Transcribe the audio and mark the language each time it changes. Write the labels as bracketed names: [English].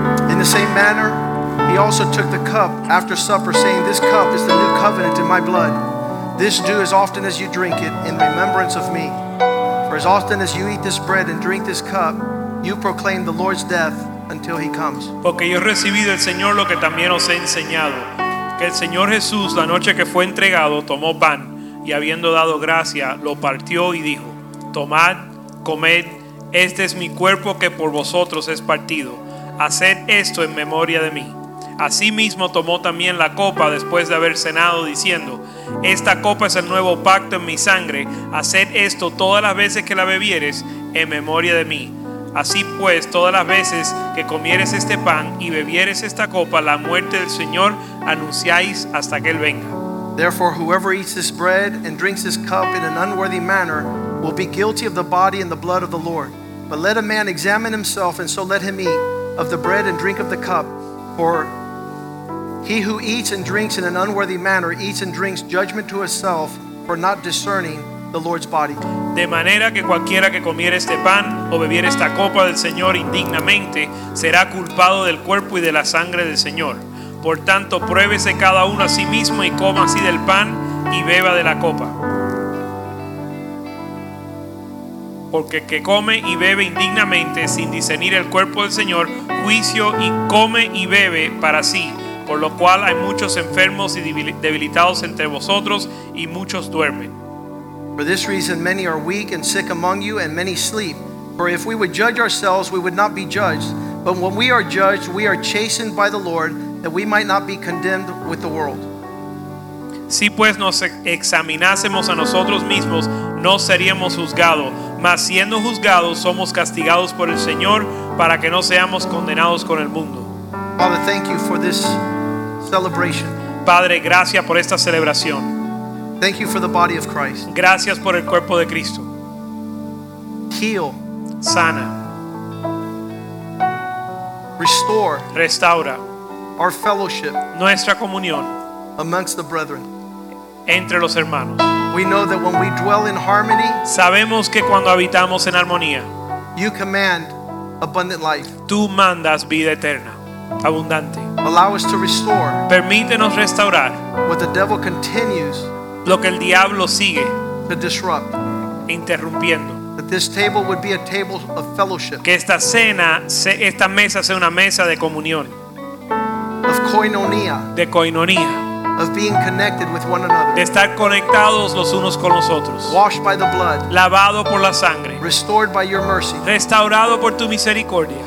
[English] In the same manner, he also took the cup after supper, saying, this cup is the new covenant in my blood. This do as often as you drink it in remembrance of me. For as often as you eat this bread and drink this cup, you proclaim the Lord's death until he comes. [Spanish] Porque yo recibí del Señor lo que también os he enseñado, que el Señor Jesús, la noche que fue entregado, tomó pan, y habiendo dado gracia, lo partió y dijo, tomad, comed, este es mi cuerpo que por vosotros es partido. Haced esto en memoria de mí. Asimismo tomó también la copa después de haber cenado, diciendo, esta copa es el nuevo pacto en mi sangre. Haced esto todas las veces que la bebieres en memoria de mí. Así pues, todas las veces que comieres este pan y bebieres esta copa, la muerte del Señor anunciáis hasta que Él venga. [English] Therefore, whoever eats this bread and drinks this cup in an unworthy manner will be guilty of the body and the blood of the Lord. But let a man examine himself, and so let him eat of the bread and drink of the cup. For he who eats and drinks in an unworthy manner eats and drinks judgment to himself for not discerning the Lord's body. [Spanish] De manera que cualquiera que comiere este pan o bebiere esta copa del Señor indignamente será culpado del cuerpo y de la sangre del Señor. Por tanto, pruébese cada uno a sí mismo y coma así del pan y beba de la copa. Porque el que come y bebe indignamente sin discernir el cuerpo del Señor, juicio y come y bebe para sí. Por lo cual hay muchos enfermos y debilitados entre vosotros y muchos duermen. [English] For this reason many are weak and sick among you and many sleep. For if we would judge ourselves, we would not be judged. But when we are judged, we are chastened by the Lord, that we might not be condemned with the world. [Spanish] Si pues nos examinásemos a nosotros mismos, no seríamos juzgados. Mas siendo juzgados, somos castigados por el Señor para que no seamos condenados con el mundo. [English] Father, thank you for this celebration. [Spanish] Padre, gracias por esta celebración. [English] Thank you for the body of Christ. [Spanish] Gracias por el cuerpo de Cristo. [English] Heal. [Spanish] Sana. [English] Restore. [Spanish] Restaura. [English] Our fellowship. [Spanish] Nuestra comunión. [English] Amongst the brethren. [Spanish] Entre los hermanos. [English] We know that when we dwell in harmony, [Spanish] sabemos que cuando habitamos en armonía, [English] you command abundant life. [Spanish] Tú mandas vida eterna, abundante. [English] Allow us to restore. [Spanish] Permítenos restaurar. [English] What the devil continues. [Spanish] Lo que el diablo sigue [English] to disrupt, [Spanish] interrumpiendo. [English] That this table would be a table of fellowship, [Spanish] que esta cena, esta mesa sea una mesa de comunión, [English] of koinonia, [Spanish] de koinonia, [English] of being connected with one another, [Spanish] de estar conectados los unos con los otros, [English] washed by the blood, [Spanish] lavado por la sangre, [English] restored by your mercy, [Spanish] restaurado por tu misericordia.